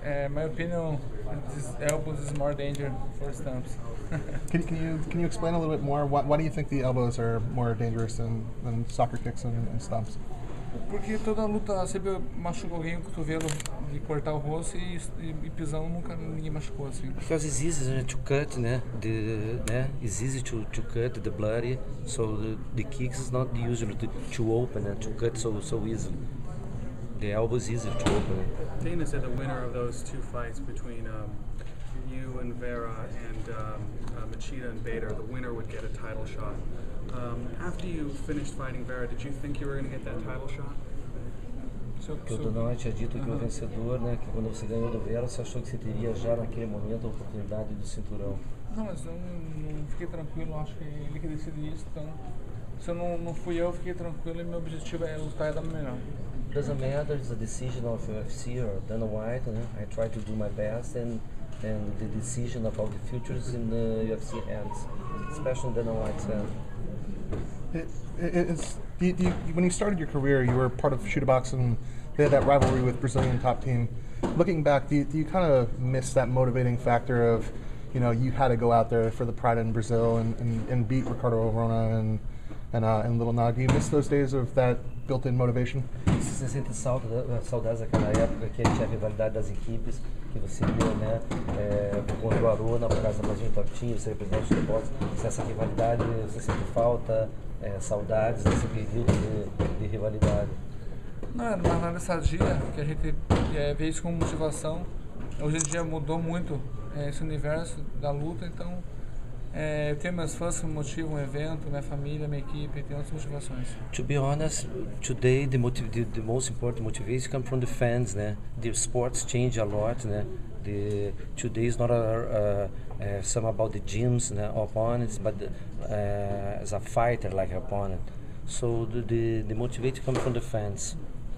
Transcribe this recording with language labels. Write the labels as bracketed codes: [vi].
[en] My opinion, this elbows is more dangerous for stumps. can you explain a little bit more? Why do you think the elbows are more dangerous than soccer kicks and stumps? [pt] Porque toda luta sempre machuca alguém com o cotovelo de cortar o rosto e pisão nunca ninguém machucou assim. [en] Because it's easy to cut, né? It's easy to cut the blood, so the kicks is not usually to open and to cut so easily. The elbow is easy to open. Dana said the winner of those two fights between you and Vera and Machida and Bader, the winner would get a title shot. After you finished fighting Vera, did you think you were going to get that title shot? [pt] Todo mundo tinha dito que o vencedor, né, que quando você ganhou do Vera, você achou que você teria já naquele momento a oportunidade do cinturão. Não, mas eu não fiquei tranquilo. Acho que ele que decidiu isso. Então, se eu não fui eu, fiquei tranquilo. E meu objetivo é lutar e dar melhor. [en] It doesn't matter, it's a decision of UFC or Dana White, né? I try to do my best and the decision about the futures in the UFC hands, especially Dana White's hand. When you started your career, you were part of Shootabox and they had that rivalry with Brazilian top team. Looking back, do you kind of miss that motivating factor of, you know, you had to go out there for the Pride in Brazil and beat Ricardo Arona and Little Nog? Do you miss those days of that built-in motivation? [pt] Você sente saudades daquela época que tinha a rivalidade das equipes, que você ia, né, contra o Arona, por causa da Brasil Top Team, você representa os esportes. Se essa rivalidade, você sente falta, saudades desse período de rivalidade? Não, era uma análise sadia, que a gente vê isso como motivação. Hoje em dia mudou muito esse universo da luta, então... Eu tenho meus fãs que me motivam, evento, minha família, minha equipe, tem outras motivações. [en] To be honest, today the most important motivation comes from the fans, né? The sports change a lot, né? Today is not some about the gyms, né? Opponents, but as a fighter, like opponent. So the motivation comes from the fans.